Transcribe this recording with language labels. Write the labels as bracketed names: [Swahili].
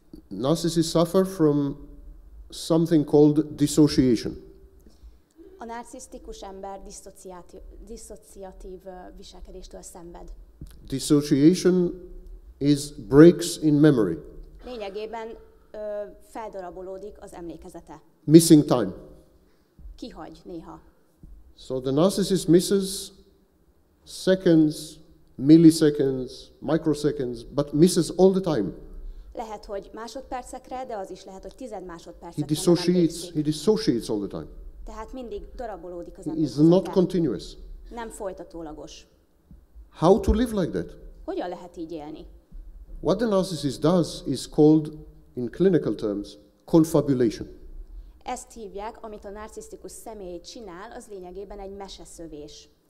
[English] Narcissists suffer from something called dissociation. [Hungarian] A narcisztikus ember diszociatív viselkedéstől szenved. [English] Dissociation is breaks in memory. [Hungarian] Lényegében feldarabolódik az emlékezete. [English] Missing time. [Hungarian] Kihagy néha. [English] So the narcissist misses seconds, milliseconds, microseconds, but misses all the time. [Hungarian] Lehet, hogy másodpercekre, de az is lehet, hogy tized másodpercekre. [English] He dissociates all the time. [Hungarian] Tehát mindig darabolódik az ember. [English] Is not continuous. [Hungarian] Nem folytatólagos. [English] How to live like that? [Hungarian] Hogyan lehet így élni? [English] What the narcissist does is called, in clinical terms, confabulation. [Hungarian] Ezt hívják, amit a narcisztikus személy csinál, az lényegében egy meseszövés.